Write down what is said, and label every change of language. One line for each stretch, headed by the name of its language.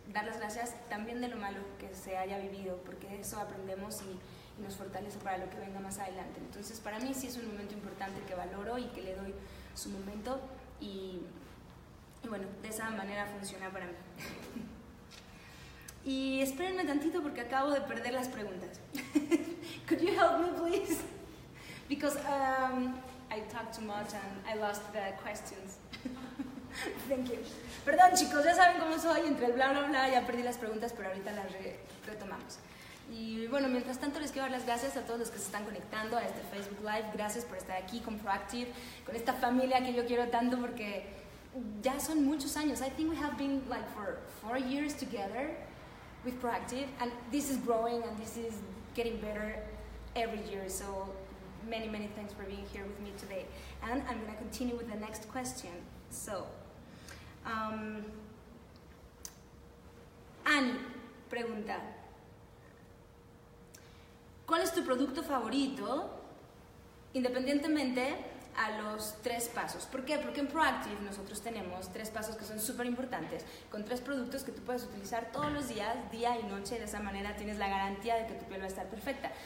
Spanish: Dar las gracias también de lo malo que se haya vivido, porque eso aprendemos y nos fortalece para lo que venga más adelante. Entonces, para mí sí es un momento importante que valoro y que le doy su momento. Y bueno, de esa manera funciona para mí. Y espérenme tantito porque acabo de perder las preguntas.
English: Could you help me, please? Because I talked too much and I lost the questions. Thank you.
Spanish: Perdón, chicos, ya saben cómo soy, entre el bla, bla, bla, ya perdí las preguntas, pero ahorita las retomamos. Y bueno, mientras tanto les quiero dar las gracias a todos los que se están conectando a este Facebook Live. Gracias por estar aquí con Proactive, con esta familia que yo quiero tanto porque ya son muchos años.
English: I think we have been like for 4 years together with Proactive, and this is growing and this is getting better every year. So many, many thanks for being here with me today. And I'm going to continue with the next question.
Spanish: So, Annie pregunta, ¿cuál es tu producto favorito independientemente a los tres pasos? ¿Por qué? Porque en Proactive nosotros tenemos tres pasos que son súper importantes, con tres productos que tú puedes utilizar todos los días, día y noche, y de esa manera tienes la garantía de que tu piel va a estar perfecta.